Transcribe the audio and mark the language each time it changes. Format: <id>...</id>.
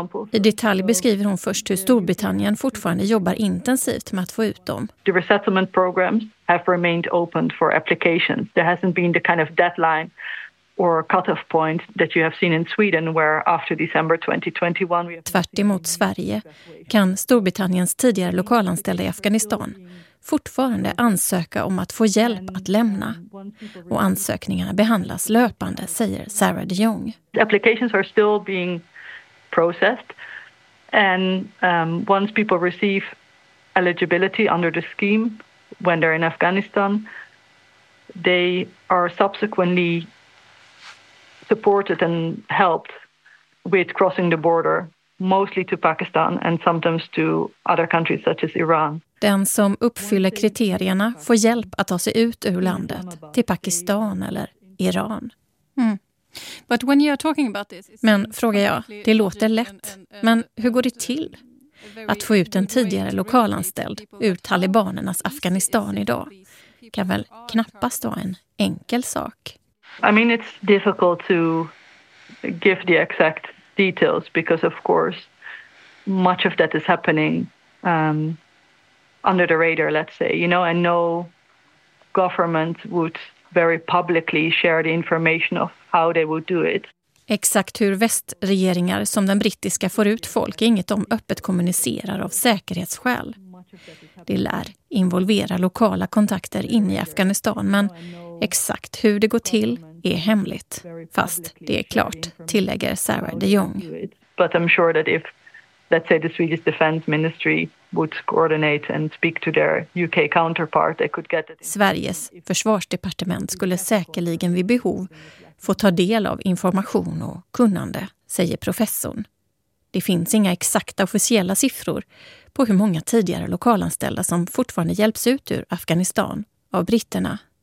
<sv>I detalj beskriver hon först hur Storbritannien fortfarande jobbar intensivt med att få ut dem.</sv> <en>The resettlement programs have remained open for applications. There hasn't been the kind of deadline or cut-off point that you have seen in Sweden where after December 2021 we have.</en> <sv>Tvärt emot Sverige kan Storbritanniens tidigare lokalanställda i Afghanistan fortfarande ansöka om att få hjälp att lämna, och ansökningarna behandlas löpande, säger Sarah de Jong.</sv> <en>Applications are still being processed and once people receive eligibility under the scheme when they're in Afghanistan, they are subsequently supported and helped with crossing the border, mostly to Pakistan and sometimes to other countries such as Iran.</en> <sv>Den som uppfyller kriterierna får hjälp att ta sig ut ur landet till Pakistan eller Iran.</sv> <en>Mm. But when you're talking about this,</en> <sv>men frågar jag, det låter lätt, men hur går det till att få ut en tidigare lokalanställd ur talibanernas Afghanistan idag? Kan väl knappast vara en enkel sak.</sv> <en>I mean, it's difficult to give the exact details because of course much of that is happening under the radar, let's say, you know, and no government would very publicly share the information of how they would do it.</en> <sv>Exakt hur västregeringar som den brittiska får ut folk är inget de öppet kommunicerar av säkerhetsskäl. Det lär involvera lokala kontakter in i Afghanistan, men exakt hur det går till är hemligt, fast det är klart, tillägger Sarah de Jong.</sv> <en>But I'm sure that if, let's say, the Swedish Defense Ministry would coordinate and speak to their UK counterpart, they could get it.</en> <sv>Sveriges försvarsdepartement skulle säkerligen vid behov få ta del av information och kunnande, säger professorn. Det finns inga exakta officiella siffror på hur många tidigare lokalanställda som fortfarande hjälps ut ur Afghanistan av britterna.</sv>